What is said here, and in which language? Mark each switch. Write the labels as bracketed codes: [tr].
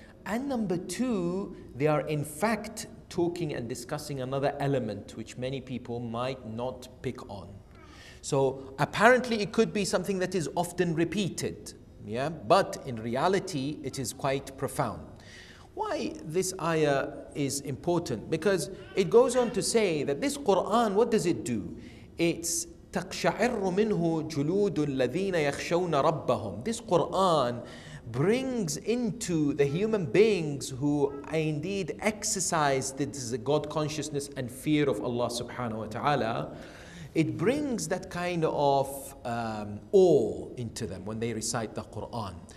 [en] And number two, they are in fact talking and discussing another element which many people might not pick on. So apparently it could be something that is often repeated, yeah? But in reality, it is quite profound. Why this ayah is important? Because it goes on to say that this Quran, what does it do? [ar] It's تَقْشَعِرُّ مِنْهُ جُلُودُ الَّذِينَ يَخْشَوْنَ رَبَّهُمْ. [en] This Quran brings into the human beings who indeed exercise this God consciousness and fear of Allah subhanahu wa ta'ala, it brings that kind of awe into them when they recite the Quran.